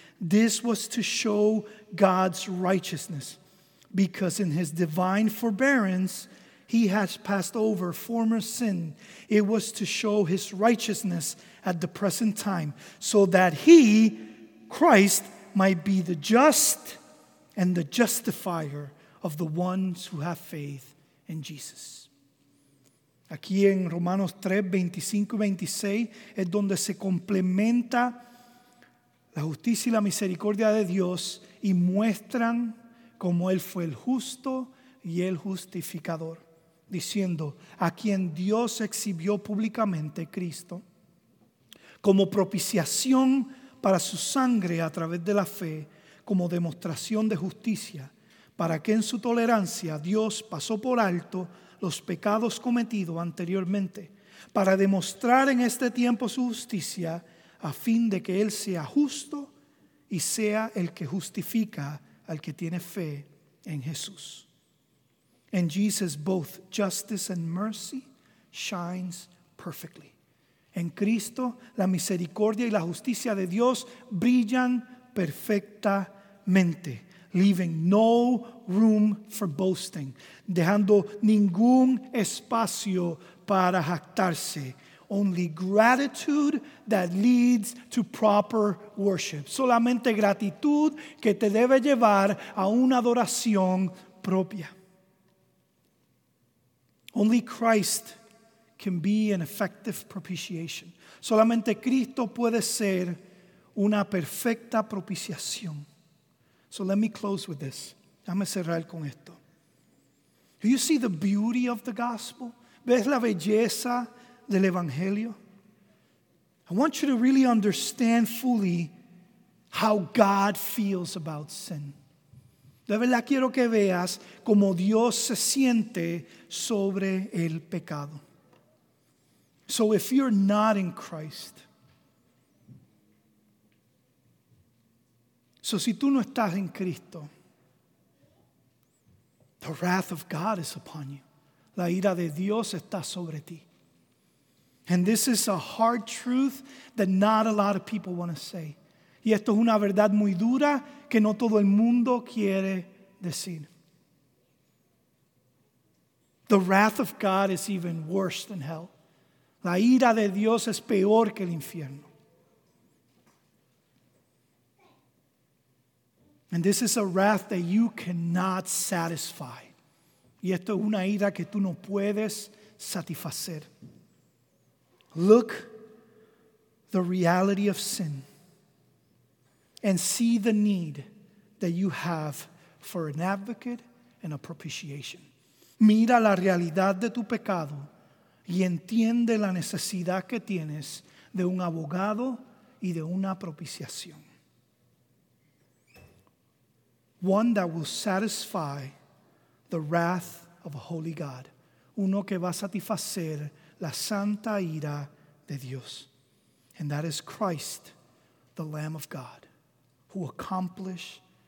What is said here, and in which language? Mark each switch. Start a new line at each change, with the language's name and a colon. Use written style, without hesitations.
English: This was to show God's righteousness, because in his divine forbearance, he has passed over former sin. It was to show his righteousness at the present time, so that he, Christ, might be the just and the justifier of the ones who have faith in Jesus.
Spanish: Aquí en Romanos 3, 25 y 26 es donde se complementa la justicia y la misericordia de Dios y muestran cómo él fue el justo y el justificador, diciendo, a quien Dios exhibió públicamente, Cristo, como propiciación para su sangre a través de la fe, como demostración de justicia, para que en su tolerancia Dios pasó por alto los pecados cometidos anteriormente, para demostrar en este tiempo su justicia, a fin de que él sea justo y sea el que justifica al que tiene fe en Jesús.
English: In Jesus, both justice and mercy shines perfectly.
Spanish: En Cristo, la misericordia y la justicia de Dios brillan perfectamente,
English: leaving no room for boasting,
Spanish: dejando ningún espacio para jactarse,
English: only gratitude that leads to proper worship.
Spanish: Solamente gratitud que te debe llevar a una adoración propia.
English: Only Christ can be an effective propitiation.
Spanish: Solamente Cristo puede ser una perfecta propiciación.
English: So let me close with this.
Spanish: Déjame cerrar con esto.
English: Do you see the beauty of the gospel?
Spanish: ¿Ves la belleza del evangelio?
English: I want you to really understand fully how God feels about sin.
Spanish: De verdad quiero que veas cómo Dios se siente sobre el pecado.
English: So if you're not in Christ, so
Spanish: si tú no estás en Cristo,
English: the wrath of God is upon you.
Spanish: La ira de Dios está sobre ti.
English: And this is a hard truth that not a lot of people want to say.
Spanish: Y esto es una verdad muy dura que no todo el mundo quiere decir.
English: The wrath of God is even worse than hell.
Spanish: La ira de Dios es peor que el infierno.
English: And this is a wrath that you cannot satisfy.
Spanish: Y esto es una ira que tú no puedes satisfacer.
English: Look the reality of sin and see the need that you have for an advocate and a propitiation.
Spanish: Mira la realidad de tu pecado y entiende la necesidad que tienes de un abogado y de una propiciación.
English: One that will satisfy the wrath of a holy God.
Spanish: Uno que va a satisfacer la santa ira de Dios.
English: And that is Christ, the Lamb of God, who accomplished